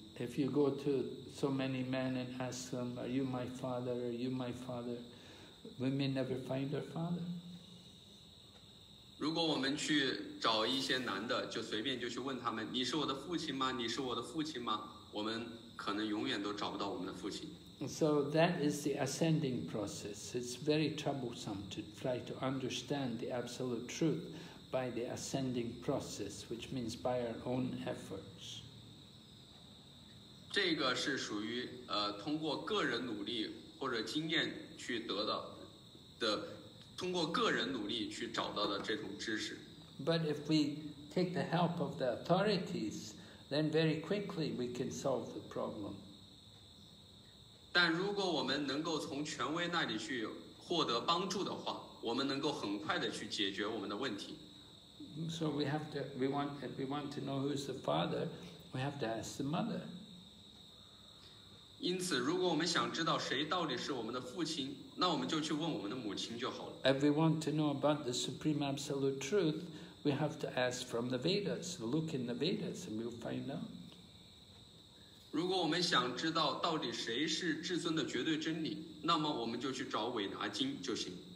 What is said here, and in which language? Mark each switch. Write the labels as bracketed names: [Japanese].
[English] If you go to so many men and ask them, "Are you my father? Are you my father?" We may never find our father. [Chinese] 如果我们去找一些男的，就随便就去问他们，你是我的父亲吗？你是我的父亲吗？我们可能永远都找不到我们的父亲。 [English] So that is the ascending process. It's very troublesome to try to understand the absolute truth by the ascending process, which means by our own efforts. [Chinese] 这个是属于通过个人努力或者经验去得到的，通过个人努力去找到的这种知识。 [English] But if we take the help of the authorities, then very quickly we can solve the problem. [Chinese] 但如果我们能够从权威那里去获得帮助的话，我们能够很快的去解决我们的问题。 [English] So if we want to know who's the father, we have to ask the mother. [Chinese] 因此，如果我们想知道谁到底是我们的父亲，那我们就去问我们的母亲就好了。 [English] If we want to know about the supreme absolute truth, we have to ask from the Vedas. Look in the Vedas, and we'll find out. [Chinese] 如果我们想知道到底谁是至尊的绝对真理，那么我们就去找《伟达经》就行。